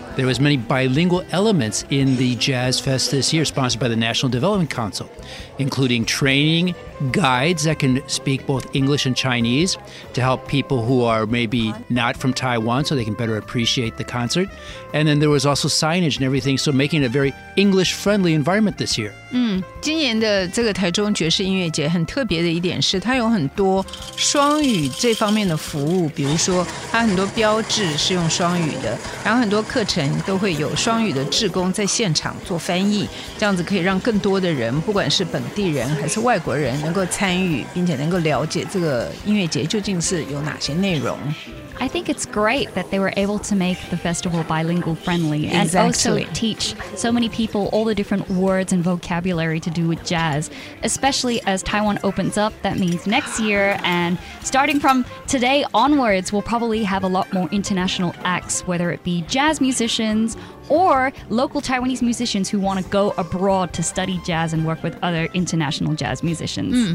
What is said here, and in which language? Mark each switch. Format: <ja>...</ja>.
<en>There was many bilingual elements in the Jazz Fest this year, sponsored by the National Development Council, including training guides that can speak both English and Chinese to help people who are maybe not from Taiwan so they can better appreciate the concert. And then there was also signage and everything, so making it a very English-friendly environment this year.</en> <zh>今年的这个台中爵士音乐节很特别的一点是它有很多双语这方面的服务，比如说它很多标志是用双语的，然后很多课程都会有双语的志工在现场做翻译，这样子可以让更多的人，不管是本地人还是外国人，能够参与并且能够了解这个音乐节究竟是有哪些内容。</zh> <en>I think it's great that they were able to make the festival bilingual friendly and also teach so many people all the different words and vocabulary to do with jazz, especially as Taiwan opens up. That means next year and starting from today onwards, we'll probably have a lot more international acts, whether it be jazz musicians or local Taiwanese musicians who want to go abroad to study jazz and work with other international jazz musicians.</en>